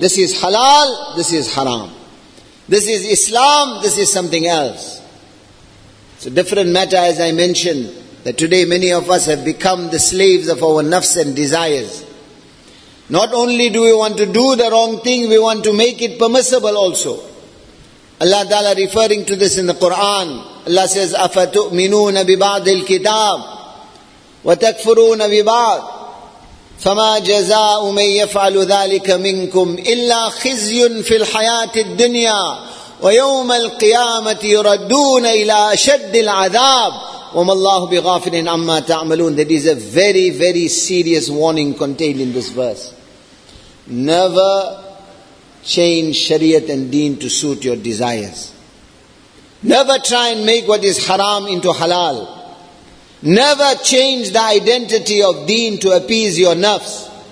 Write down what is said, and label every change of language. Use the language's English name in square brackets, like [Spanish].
[English] This is halal, this is haram. This is Islam, this is something else. It's a different matter, as I mentioned, that today many of us have become the slaves of our nafs and desires. Not only do we want to do the wrong thing, we want to make it permissible also. Allah Ta'ala referring to this in the Quran, Allah says, [Arabic] أَفَتُؤْمِنُونَ بِبَعْدِ الْكِتَابِ وَتَكْفُرُونَ بِبَعْضٍ فَمَا جَزَاءُ مَنْ يَفْعَلُ ذَلِكَ مِنْكُمْ إِلَّا خِزْيٌ فِي الْحَيَاةِ الدُّنْيَا وَيَوْمَ الْقِيَامَةِ يُرَدُّونَ إِلَىٰ أَشَدِّ الْعَذَابِ وَمَا اللَّهُ بِغَافِلٍ عَمَّا تَعْمَلُونَ. [English] That is a very, very serious warning contained in this verse. Never change Shariat and Deen to suit your desires. Never try and make what is haram into halal. Never change the identity of deen to appease your nafs.